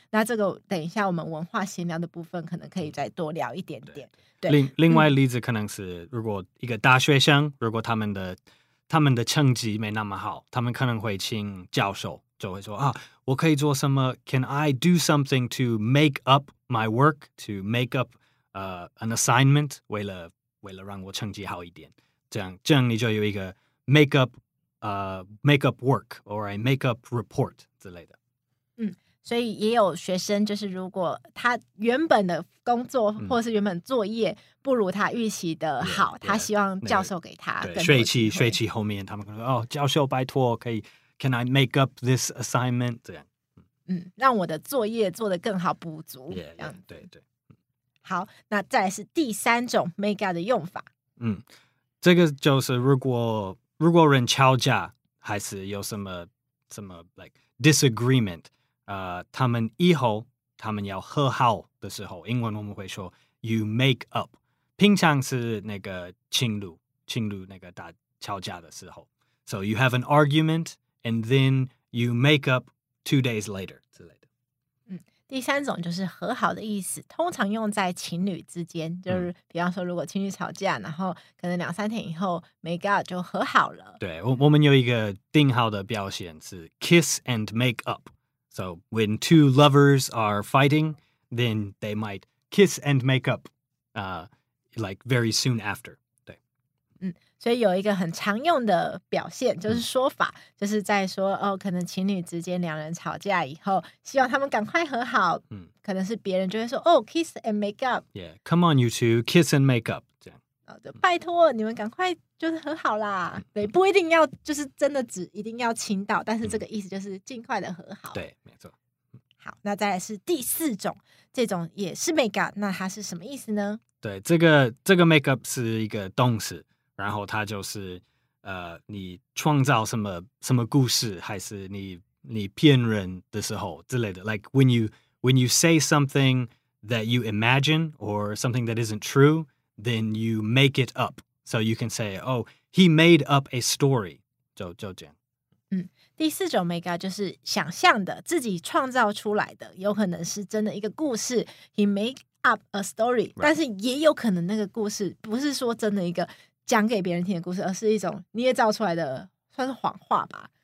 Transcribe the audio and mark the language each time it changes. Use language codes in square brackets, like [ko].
[zh] 那这个等一下我们文化闲聊的部分可能可以再多聊一点点。对，另外例子可能是如果一个大学生如果他们的成绩没那么好，他们可能会请教授，就会说啊，我可以做什么 ？ [en] Can I do something to make up my work? To make up an assignment? [zh] 为了让我成绩好一点，这样你就有一个 [en] make up work or a make up report [zh] 之类的。所以也有学生就是如果他原本的工作或是原本作业不如他预期的好，他希望教授给他更多机会。学期后面他们可能说哦，教授拜托可以。 [en] Can I make up this assignment? [zh] 这样，让我的作业做得更好，补足。对对。好，那再来是第三种 make up 的用法。这个就是如果人吵架，还是有什么 [en] like disagreement， [zh] 他们以后他们要和好的时候，英文我们会说 [en] you make up。 [zh] 平常是那个情侣那个大吵架的时候 ， [en] so you have an argument。 And then you make up 2 days later. [zh] 之类的。第三种就是和好的意思，通常用在情侣之间，就是比方说如果情侣吵架，然后可能两三天以后 make up 就和好了。对，我们有一个定好的表现是 [en] kiss and make up. So when two lovers are fighting, then they might kiss and make up, like very soon after. [zh] 所以有一个很常用的表现就是说法，就是在说哦，可能情侣之间两人吵架以后希望他们赶快和好，可能是别人就会说哦 [en] kiss and make up， yeah come on you two kiss and make up， [zh] 这样就拜托你们赶快就是和好啦，对，不一定要就是真的只一定要亲到，但是这个意思就是尽快的和好，对没错。好，那再来是第四种，这种也是 makeup， 那它是什么意思呢？对，这个 makeup 是一个动词，然后它就是你创造什么故事，还是你骗人的时候之类的。 [en] Like when you say something that you imagine or something that isn't true, then you make it up. So you can say, oh, he made up a story. [zh] 就这样。第四种 makeup 就是想象的，自己创造出来的，有可能是真的一个故事。 [en] He made up a story,、 right. [zh] 但是也有可能那个故事不是说真的一个讲给别人听的故事，而是一种捏造出来的，算是谎话吧。